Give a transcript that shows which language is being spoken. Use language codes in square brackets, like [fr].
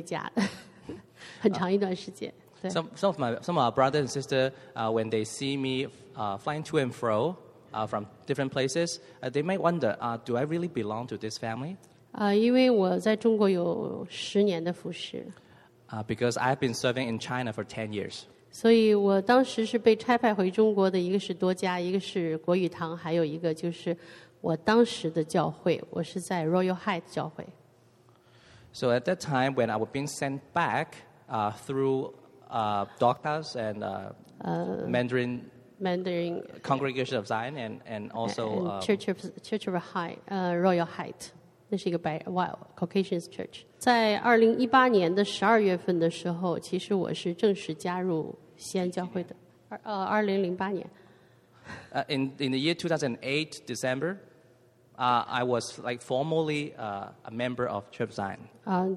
[zh] 所以很多人都认为，看到我这样来回跑，觉得好像我好像是不是这一家的，很长一段时间。对。 [en] Some of our brothers and sisters, when they see me flying to and fro from different places, they might wonder, do I really belong to this family? [zh] 因为我在中国有10年的服侍。 [en] Because I've been serving in China for 10 years. [zh] 所以我当时是被差派回中国的，一个是多家，一个是国语堂，还有一个就是我当时的教会，我是在Royal Heights教会。 [en] So at that time, when I was being sent back through doctors and Mandarin Congregation of Zion and also [zh] Royal Heights. 那是一个Caucasian Church. 在2018年的12月份的时候, 其实我是正式加入西安教会的, 2008年。 [en] In the year 2008, December, I was like formally a member of Church of Zion.